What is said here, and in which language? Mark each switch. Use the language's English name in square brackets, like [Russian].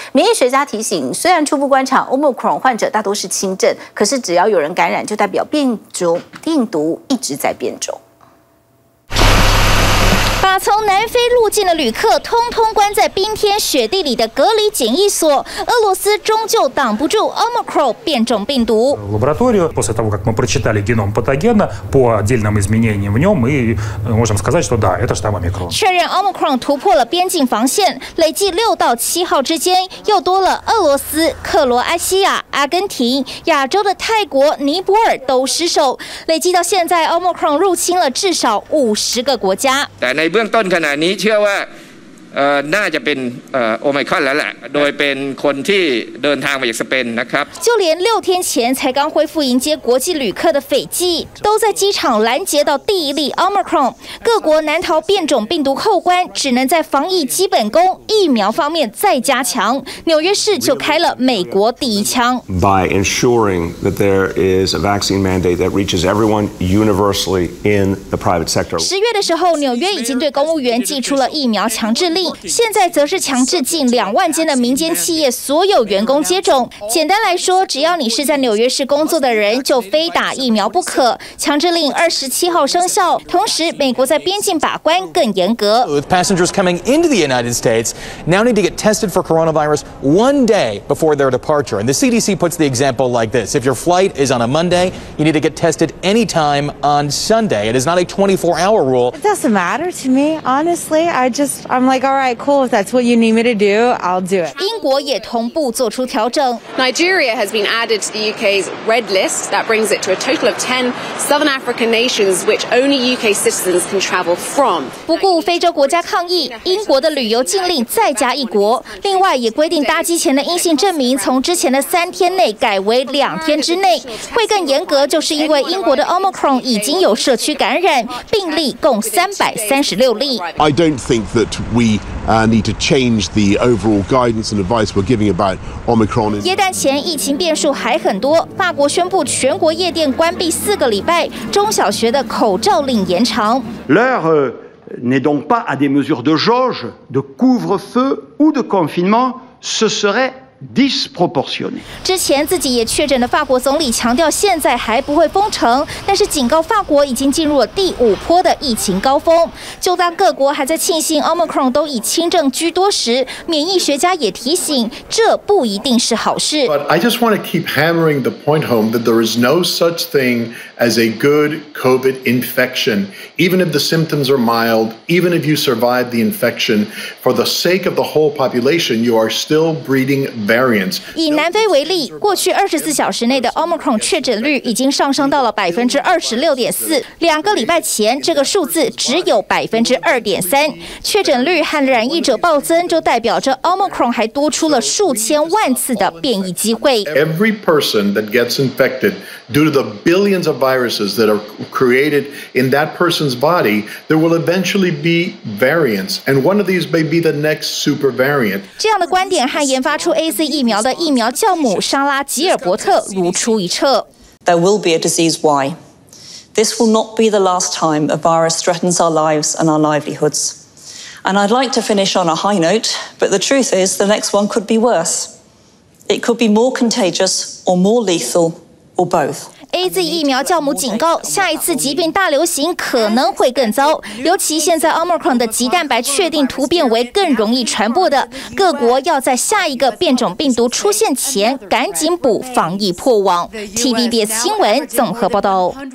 [Chinese] 免疫学家提醒，虽然初步观察 Omicron 患者大多是轻症，可是只要有人感染，就代表病毒一直在变种。把从南非入境的旅客通通关在冰天雪地里的隔离检疫所，俄罗斯终究挡不住 Omicron 变种病毒。 [Russian] Лабораторию после того, как мы прочитали геном патогена по отдельным изменениям в нем, мы можем сказать, что да, это штамм Омикрон. [Chinese] 确认 Omicron 突破了边境防线，累计6到7号之间又多了俄罗斯、克罗埃西亚、阿根廷、亚洲的泰国、尼泊尔都失守，累计到现在 Omicron 入侵了至少50个国家。 [Thai] ในเบื้องต้นขณะนี้เชื่อว่าน่าจะเป็นโอมิครอนแล้วแหละโดยเป็นคนที่เดินทางมาจากสเปนนะครับ [Chinese] 就连六天前才刚恢复迎接国际旅客的斐济，都在机场拦截到第一例 Omicron， 各国难逃变种病毒后关，只能在防疫基本功、疫苗方面再加强。纽约市就开了美国第一枪。 [English] By ensuring that there is a vaccine mandate that reaches everyone universally in the private sector。 [Chinese] 十月的时候，纽约已经对公务员寄出了疫苗强制。现在则是强制近20000间的民间企业所有员工接种。简单来说，只要你是在纽约市工作的人，就非打疫苗不可。强制令27号生效，同时美国在边境把关更严格。 [English] With passengers coming into the United States now need to get tested for coronavirus 1 day before their departure. And the CDC puts the example like this: If your flight is on a Monday, you need to get tested anytime on Sunday. It is not a 24-hour rule. It doesn't matter to me, honestly. I'm like, all right. right, cool. If that's what you need me to do, I'll do it. [Chinese] 英国也同步做出调整。 [English] Nigeria has been added to the UK's red list. That brings it to a total of 10 Southern African nations which only UK citizens can travel from. [Chinese] 不顾非洲国家抗议，英国的旅游禁令再加一国。另外也规定搭机前的阴性证明从之前的三天内改为两天之内，会更严格，就是因为英国的 Omicron 已经有社区感染，病例共336例。 [English] I don't think that we need to change the overall guidance and advice we're giving about Omicron. [Chinese] 耶诞前疫情变数还很多，法国宣布全国夜店关闭四个礼拜，中小学的口罩令延长。 [French] L'heure n'est donc pas à des mesures de jauge, de couvre-feu ou de confinement. Ce serait disproportionné. [Chinese] 之前自己也确诊的法国总理强调，现在还不会封城，但是警告法国已经进入了第五波的疫情高峰。就当各国还在庆幸 Omicron 都以轻症居多时，免疫学家也提醒，这不一定是好事。 [English] But I just want to keep hammering the point home that there is no such thing as a good COVID infection. Even if the symptoms are mild, even if you survive the infection, for the sake of the whole population, you are still breeding. [Chinese] 以南非为例，过去24小时内的 Omicron 确诊率已经上升到了26.4%，两个礼拜前这个数字只有2.3%。确诊率和染疫者暴增，就代表着 Omicron 还多出了数千万次的变异机会。 [English] Every person that gets infected due to the billions of viruses that are created in that person's body, there will eventually be variants, and one of these may be the next super variant. [Chinese] 这样的观点和研发出A.C. 疫苗的疫苗教母莎拉·吉尔伯特如出一辙。 [English] There will be a disease Y. This will not be the last time a virus threatens our lives and our livelihoods. And I'd like to finish on a high note, but the truth is, the next one could be worse. It could be more contagious or more lethal or both. [Chinese] A Z 疫苗教母警告，下一次疾病大流行可能会更糟，尤其现在 Omicron 的棘蛋白确定突变为更容易传播的，各国要在下一个变种病毒出现前赶紧补防疫破网。 TVBS 新闻综合报道。